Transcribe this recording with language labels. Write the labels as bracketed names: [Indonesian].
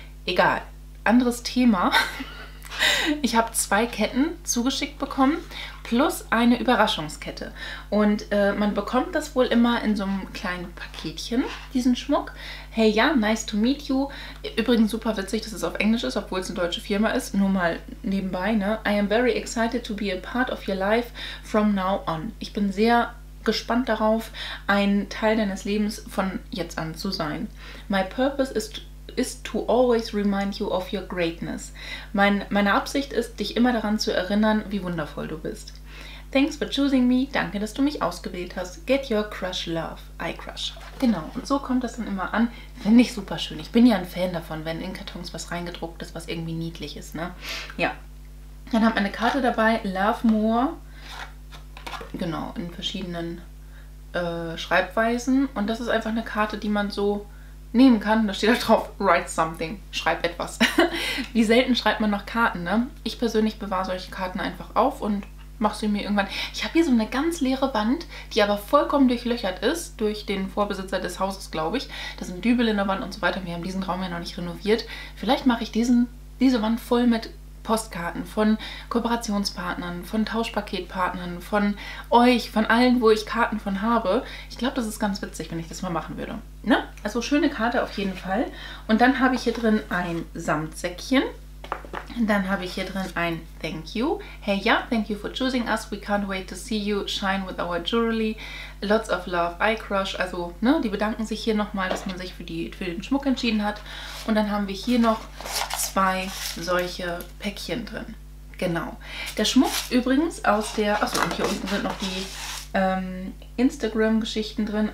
[German] Egal, anderes Thema. Ich habe zwei Ketten zugeschickt bekommen plus eine Überraschungskette. Und man bekommt das wohl immer in so einem kleinen Paketchen, diesen Schmuck. [English] Hey ja, nice to meet you. [German] Übrigens super witzig, dass es auf Englisch ist, obwohl es eine deutsche Firma ist. Nur mal nebenbei, ne? [English] I am very excited to be a part of your life from now on. [German] Ich bin sehr gespannt darauf, ein Teil deines Lebens von jetzt an zu sein. [English] My purpose is is to always remind you of your greatness. [German] Meine Absicht ist, dich immer daran zu erinnern, wie wundervoll du bist. [English] Thanks for choosing me. [German] Danke, dass du mich ausgewählt hast. [English] Get your crush love. I crush. [German] Genau, und so kommt das dann immer an. Finde ich super schön. Ich bin ja ein Fan davon, wenn in Kartons was reingedruckt ist, was irgendwie niedlich ist, ne? Ja. Dann haben wir eine Karte dabei. [English] Love more. [German] Genau, in verschiedenen Schreibweisen. Und das ist einfach eine Karte, die man so nehmen kann. Da steht da drauf, [English] write something. [German] Schreib etwas. Wie selten schreibt man noch Karten, ne? Ich persönlich bewahre solche Karten einfach auf und mach sie mir irgendwann. Ich habe hier so eine ganz leere Wand, die aber vollkommen durchlöchert ist, durch den Vorbesitzer des Hauses, glaube ich. Da sind Dübel in der Wand und so weiter. Wir haben diesen Raum ja noch nicht renoviert. Vielleicht mache ich diese Wand voll mit Postkarten von Kooperationspartnern, von Tauschpaketpartnern, von euch, von allen, wo ich Karten von habe. Ich glaube, das ist ganz witzig, wenn ich das mal machen würde. Ne? Also schöne Karte auf jeden Fall. Und dann habe ich hier drin ein Samtsäckchen. Dann habe ich hier drin ein Thank you. [English] Hey, yeah, thank you for choosing us. We can't wait to see you shine with our jewelry. Lots of love, I crush. [German] Also, ne, die bedanken sich hier nochmal, dass man sich für den Schmuck entschieden hat. Und dann haben wir hier noch zwei solche Päckchen drin. Genau. Der Schmuck übrigens aus der... Achso, und hier unten sind noch die Instagram-Geschichten drin.